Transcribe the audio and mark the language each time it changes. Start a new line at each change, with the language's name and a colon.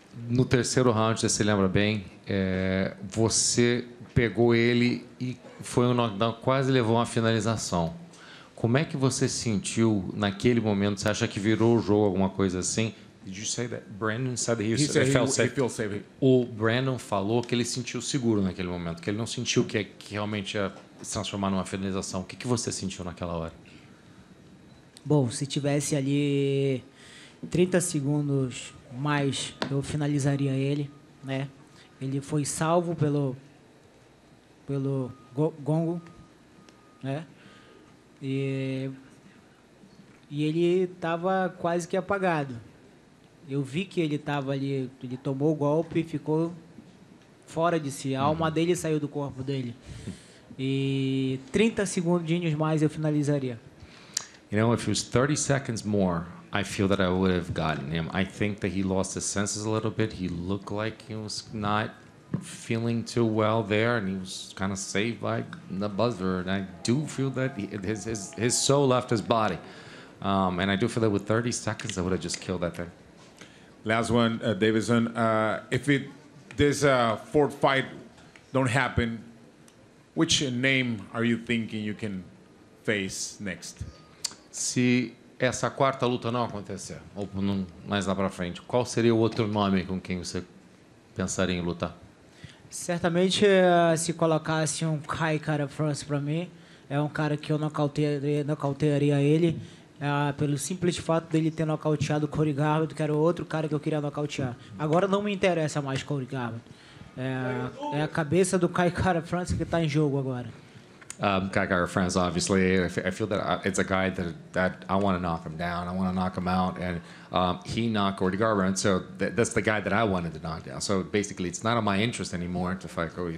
Portuguese: No terceiro round, você se lembra bem, você pegou ele e foi um knockdown, quase levou uma finalização. Como é que você sentiu naquele momento? Você acha que virou o jogo, alguma coisa assim?
English: Did you say that Brandon said that he felt safe?
Portuguese: O Brandon falou que ele sentiu seguro naquele momento, que ele não sentiu que realmente ia se transformar numa finalização. O que, que você sentiu naquela hora? Bom, se tivesse ali 30 segundos mais, eu finalizaria ele, né? Ele foi salvo pelo gongo, né? E ele estava quase que apagado. Eu vi que ele estava ali, ele tomou o golpe e ficou fora de si. A alma dele saiu do corpo dele. E 30 segundinhos mais eu finalizaria.
English: You know, if it was 30 seconds more, I feel that I would have gotten him. I think that he lost his senses a little bit. He looked like he was not feeling too well there, and he was kind of saved by the buzzer. And I do feel that his soul left his body. And I do feel that with 30 seconds, I would have just killed that thing. Last one, Davidson. If this fourth fight don't happen, which name are you thinking you can face next?
Portuguese: Se essa quarta luta não acontecer, ou não, mais lá para frente, qual seria o outro nome com quem você pensaria em lutar? Certamente, se colocasse um Kai Kara France para mim, é um cara que eu nocautearia ele, pelo simples fato dele ter nocauteado o Corey Garbutt, que era outro cara que eu queria nocautear. Agora não me interessa mais Corey Garbutt. É a cabeça do Kai Kara France que está em jogo agora.
English: Kai Kara France, obviously, I feel that it's a guy that I want to knock him down. I want to knock him out, and he knocked Cody Garbrandt, so that's the guy that I wanted to knock down. So basically, it's not in my interest anymore to fight Cody.